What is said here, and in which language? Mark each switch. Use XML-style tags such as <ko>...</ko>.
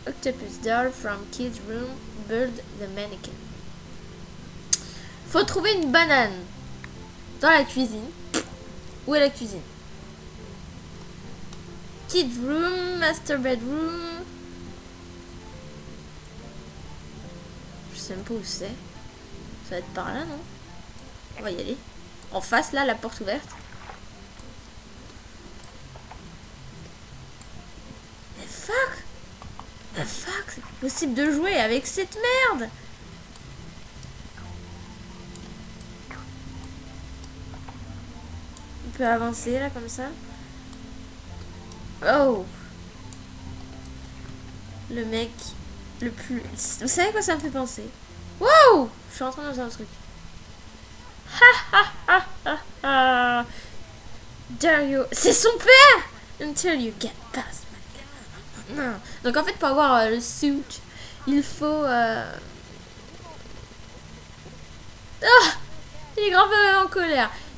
<en>Octopus doll from kid's room. Bull the mannequin.</en> <fr>Faut trouver une banane dans la cuisine. Où est la cuisine?</fr> <en>Kid room, master bedroom.</en> <fr>Je sais même pas où c'est. Ça va être par là, non? On va y aller. En face, là, la porte ouverte. Mais fuck! Mais fuck! C'est possible de jouer avec cette merde! peux avancer là comme ça. Oh! Le mec le plus. Vous savez quoi ça me fait penser? Wow! Je suis en train de faire un truc. Ha ha ha ha ha!</fr> <en>Dare you.</en> <fr>C'est son père!</fr> <en>Until you get past my gun.</en> <fr>Non. Donc en fait, pour avoir le suit, il faut. Oh! Il est grand peu en colère.</fr>